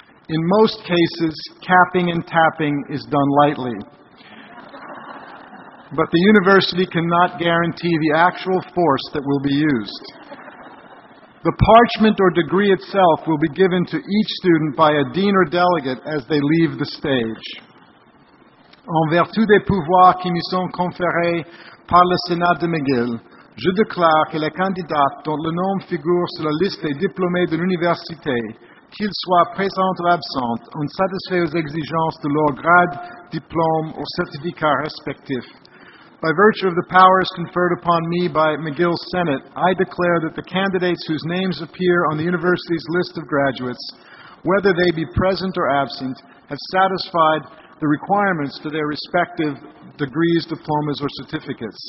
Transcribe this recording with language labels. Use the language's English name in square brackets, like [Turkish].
[English] In most cases, capping and tapping is done lightly. But the university cannot guarantee the actual force that will be used. The parchment or degree itself will be given to each student by a dean or delegate as they leave the stage. [French] En vertu des pouvoirs qui me sont conférés par le Sénat de McGill, je déclare que les candidats dont le nom figure sur la liste des diplômés de l'université, qu'ils soient présents ou absents, ont satisfait aux exigences de leur grade, diplôme ou certificat respectif. [English] By virtue of the powers conferred upon me by McGill's Senate, I declare that the candidates whose names appear on the university's list of graduates, whether they be present or absent, have satisfied the requirements for their respective degrees, diplomas, or certificates.